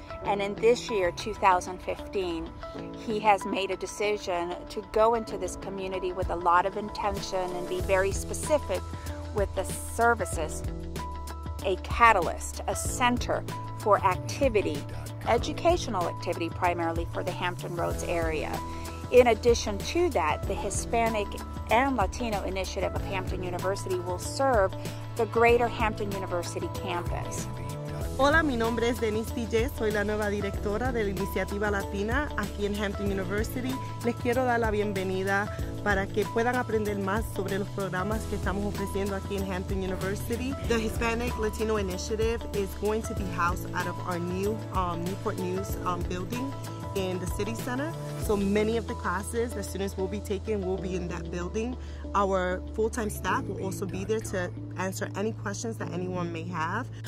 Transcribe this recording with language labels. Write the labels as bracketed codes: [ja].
[en] And in this year, 2015, he has made a decision to go into this community with a lot of intention and be very specific with the services, a catalyst, a center for activity, educational activity primarily for the Hampton Roads area. In addition to that, the Hispanic and Latino Initiative of Hampton University will serve the greater Hampton University campus. [es] Hola, mi nombre es Denise Tillet, soy la nueva directora de la Iniciativa Latina aquí en Hampton University. Les quiero dar la bienvenida para que puedan aprender más sobre los programas que estamos ofreciendo aquí en Hampton University. [en] The Hispanic Latino Initiative is going to be housed out of our new Newport News building in the city center. So many of the classes the students will be taking will be in that building. Our full-time staff will also be there to answer any questions that anyone may have.